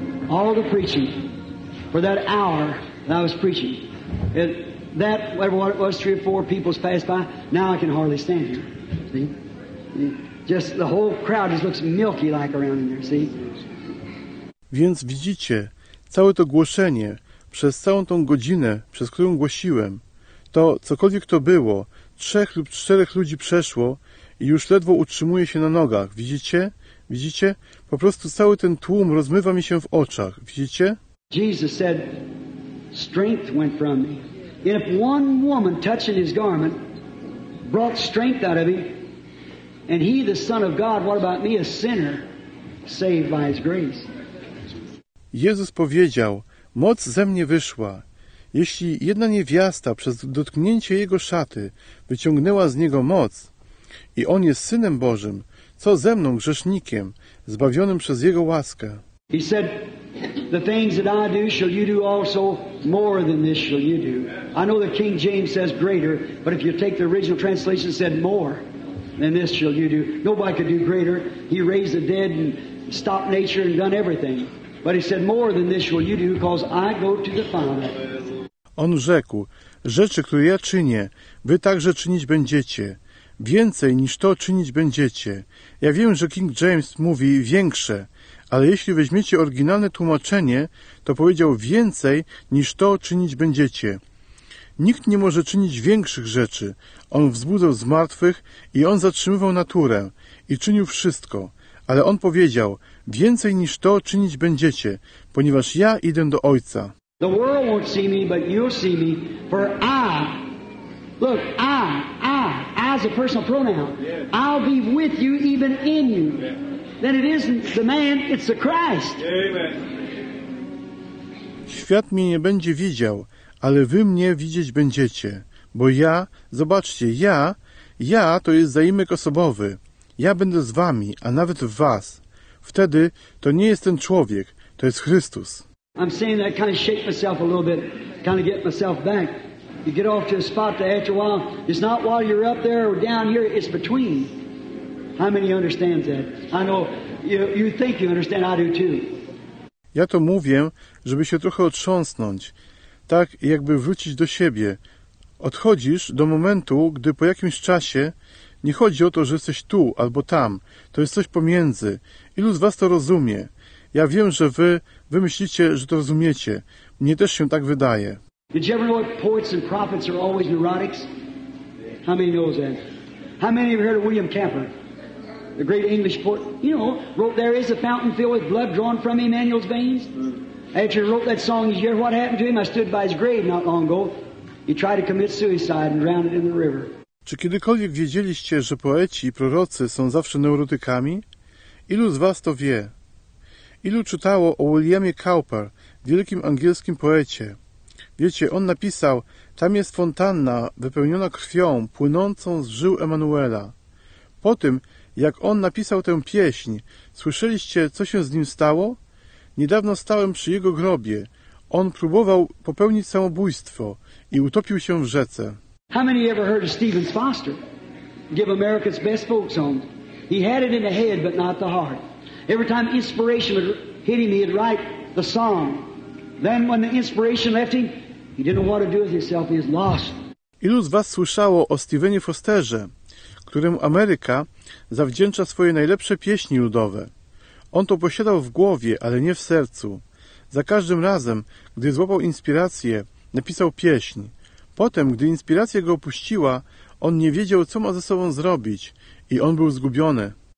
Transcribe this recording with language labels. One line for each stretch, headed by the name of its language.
English: All the preaching for that hour that I was preaching, it, that whatever it was, three or four people's passed by. Now I can hardly stand here. See, just the whole crowd just looks milky like around in there. See.
Polish: Więc widzicie, całe to głoszenie przez całą tą godzinę, przez którą głosiłem, to cokolwiek to było, trzech lub czterech ludzi przeszło i już ledwo utrzymuje się na nogach. Widzicie? Widzicie? Po prostu cały ten tłum rozmywa mi się w oczach. Widzicie?
English: Jesus said, strength went from me. And if one woman touching his garment brought strength out of him, and he the Son of God, what about me, a sinner, saved by his grace?
Polish: Jezus powiedział, moc ze mnie wyszła. Jeśli jedna niewiasta przez dotknięcie jego szaty wyciągnęła z niego moc i on jest Synem Bożym, co ze mną, grzesznikiem, zbawionym przez Jego łaskę?
English: He said, the things that I do, shall you do also, more than this shall you do. I know the King James says greater, but if you take the original translation, said more than this shall you do. Nobody could do greater. He raised the dead and stopped nature and done everything. But he said, more than this shall you do, because I go to the Father.
Polish: On rzekł, rzeczy, które ja czynię, wy także czynić będziecie. Więcej niż to czynić będziecie. Ja wiem, że King James mówi większe, ale jeśli weźmiecie oryginalne tłumaczenie, to powiedział więcej niż to czynić będziecie. Nikt nie może czynić większych rzeczy. On wzbudzał zmartwych i on zatrzymywał naturę i czynił wszystko. Ale on powiedział więcej niż to czynić będziecie, ponieważ ja idę do Ojca.
English: The world won't see me, but you'll see me, for I... Look, I as a personal pronoun, I'll be with you, even in you. Then it isn't the man, it's the Christ.
Polish: Świat mnie nie będzie widział, ale wy mnie widzieć będziecie. Bo ja, zobaczcie, ja to jest zaimek osobowy. Ja będę z wami, a nawet w was. Wtedy to nie jest ten człowiek, to jest Chrystus.
English: I'm saying that, kind of shake myself a little bit, kind of get myself back. You get off to a spot that after a while, it's not while you're up there or down here, it's between. How many understands that? I know, you think you understand, I do too.
Polish: Ja to mówię, żeby się trochę otrząsnąć, tak jakby wrócić do siebie. Odchodzisz do momentu, gdy po jakimś czasie nie chodzi o to, że jesteś tu albo tam, to jest coś pomiędzy. Ilu z was to rozumie? Ja wiem, że wy myślicie, że to rozumiecie. Mnie też się tak wydaje.
English: Did you ever know that poets and prophets are always neurotics? How many knows that? How many have heard of William Cowper? The great English poet, you know, wrote, there is a fountain filled with blood drawn from Emmanuel's veins. After he wrote that song, you hear what happened to him? I stood by his grave not long ago. He tried to commit suicide and drowned in the river.
Polish: Czy kiedykolwiek wiedzieliście, że poeci i prorocy są zawsze neurotykami? Ilu z was to wie? Ilu czytało o Williamie Cowper, wielkim angielskim poecie? Wiecie, on napisał, tam jest fontanna wypełniona krwią płynącą z żył Emanuela. Po tym, jak on napisał tę pieśń, słyszeliście, co się z nim stało? Niedawno stałem przy jego grobie. On próbował popełnić samobójstwo i utopił się w rzece.
English: How many ever heard of Stephen Foster? Give America's best folk song. He had it in the head, but not the heart. Every time inspiration would hit him, he'd write the song. Then when the inspiration left him, he didn't know what to do with himself, he was lost.
Polish: Ilu z was słyszało o Stephenie Fosterze, którym Ameryka zawdzięcza swoje najlepsze pieśni ludowe. On to posiadał w głowie, ale nie w sercu. Za każdym razem, gdy złapał inspirację, napisał pieśń. Potem, gdy inspiracja go opuściła, on nie wiedział, co ma ze sobą zrobić i on był zgubiony.